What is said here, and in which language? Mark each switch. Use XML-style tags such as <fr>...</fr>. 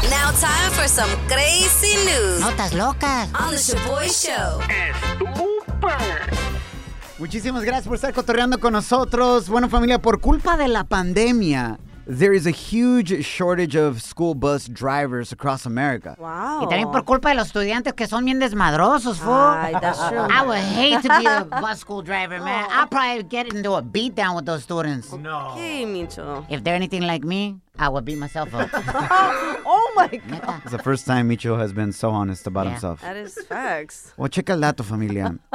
<en>Now time for some crazy news.</en> <es>Notas locas.</es> <en>On the Shaboy Show.</en> <es>Muchísimas gracias por estar cotorreando con nosotros. Bueno, familia, por culpa de la pandemia,</es> <en>there is a huge shortage of school bus drivers across America. Wow.</en> <es>Y también por culpa de los estudiantes que son bien desmadrosos,</es> <en>fool. Ay, that's true. I would hate to be a bus school driver, man. I'll probably get into a beatdown with those students. No. Okay, Micho. If they're anything like me, I would beat myself up. Oh, my God. It's the first time Micho has been so honest about himself. That is facts. Well, check</en> <es>el dato, familia.</es>